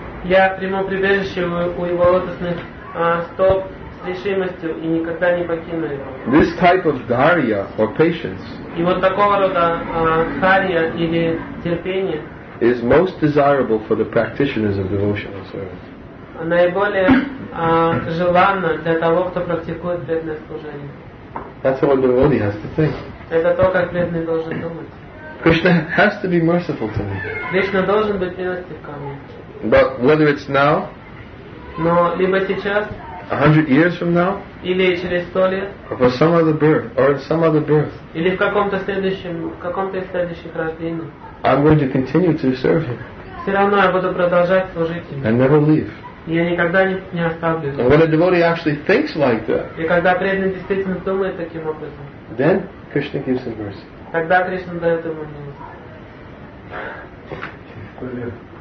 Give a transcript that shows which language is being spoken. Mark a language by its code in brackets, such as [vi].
[ru] Я приму прибежище у его лотосных стоп с решимостью и никогда не покину его. [en] This type of dharya or patience. [ru] И вот такого рода дхария или терпение. [en] Is most desirable for the practitioners of devotional service. [ru] Наиболее желанно для того, кто практикует преданное служение. [en] That's what the devotee has to think. [ru] Это то, как преданный должен думать. [en] Krishna has to be merciful to me. [ru] Krishna должен быть милостив ко мне. [en] But whether it's now, [ru] но либо сейчас, [en] 100 years from now, [ru] или через 100 лет, [en] or for some other birth, or in some other birth, [ru] или в каком-то следующих рождениях, [en] I'm going to continue to serve him. [ru] Все равно я буду продолжать служить ему. [en] And never leave. [ru] Я никогда не оставлю. [en] And when a devotee actually thinks like that, [ru] и когда преданный действительно думает таким образом, [en] then Krishna gives him mercy. [ru] Тогда Кришна дает ему милость.